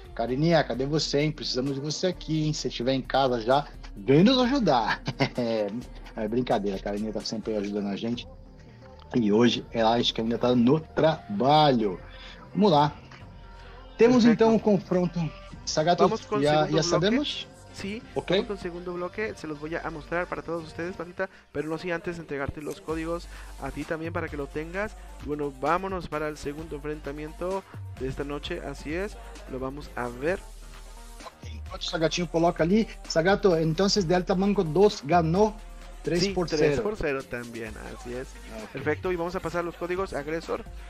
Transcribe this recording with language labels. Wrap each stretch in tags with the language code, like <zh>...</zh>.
<pt>Carininha, cadê você, hein? Precisamos de você aqui, hein? Se estiver em casa já, vem nos ajudar. É brincadeira, a Carininha tá sempre ajudando a gente. E hoje, ela acha que ainda tá no trabalho. Vamos lá. Temos então o confronto. Sagato, já sabemos?</pt> <es>Sí, okay. Vamos con segundo bloque, se los voy a mostrar para todos ustedes, bandita, pero no sin antes entregarte los códigos a ti también para que lo tengas. Bueno, vámonos para el segundo enfrentamiento de esta noche, así es, lo vamos a ver.</es> <pt>Enquanto o Sagatinho coloca ali, Sagato, então Delta Manco 2 ganhou 3 por 0. 3 por 0 também, assim é. Okay. Perfeito, e vamos a passar os códigos agressor.</pt>